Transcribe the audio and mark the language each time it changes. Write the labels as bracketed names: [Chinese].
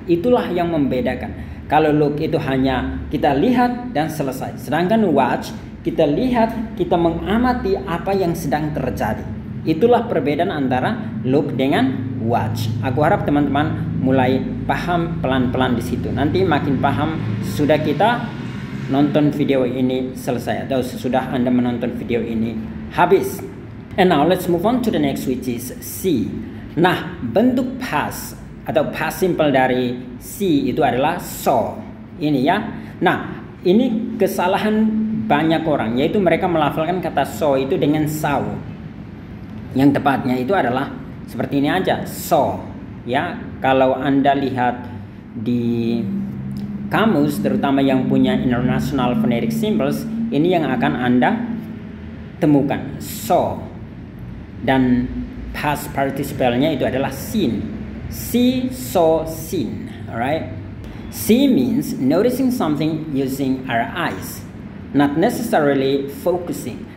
[Indonesian] Itulah yang membedakan. Kalau look itu hanya kita lihat dan selesai, sedangkan watch kita lihat, kita mengamati apa yang sedang terjadi. Itulah perbedaan antara look dengan watch. Aku harap teman-teman mulai paham pelan-pelan di situ. Nanti makin paham sudah kita nonton video ini selesai atau sesudah Anda menonton video ini habis. [English] And now let's move on to the next, which is see. [Indonesian] Nah, bentuk past atau past simple dari see itu adalah saw. Ini, ya. Nah, ini kesalahan banyak orang, yaitu mereka melafalkan kata saw itu dengan saw. Yang tepatnya itu adalah seperti ini aja, saw. Ya, kalau Anda lihat di kamus, terutama yang punya International Phonetic Symbols, ini yang akan Anda temukan, saw. Dan past participle-nya itu adalah seen. [English] See, saw, seen. Alright. See means noticing something using our eyes, not necessarily focusing.